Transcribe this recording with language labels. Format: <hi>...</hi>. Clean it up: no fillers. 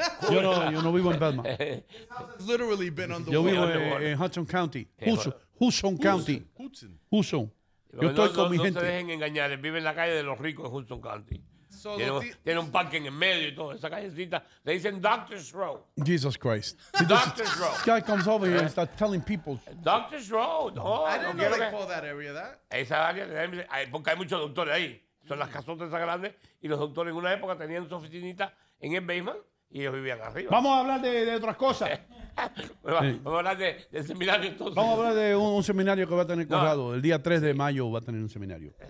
<es>Yo no vivo en Belmar.</es> <en>Literally been on the</en> <es>yo vivo en Hudson County. Houston County. Houston. Yo estoy con mi gente. No se dejen engañar. Él vive en la calle de los ricos en Houston County. Tiene un parque en el medio y todo. Esa callecita. Le dicen Doctor's Row.</es> <en>Jesus Christ. Doctor's Row. This guy comes over here and starts telling people... Doctor's Row. I didn't know they call that area that.</en> <es>Esa área... Porque hay muchos doctores ahí. Son las casotas esas grandes y los doctores en una época tenían su oficinita en el basement y ellos vivían arriba. Vamos a hablar de otras cosas. Vamos a hablar de seminario entonces. Vamos a hablar de un seminario que va a tener Corrado. El día 3 de mayo va a tener un seminario.</es>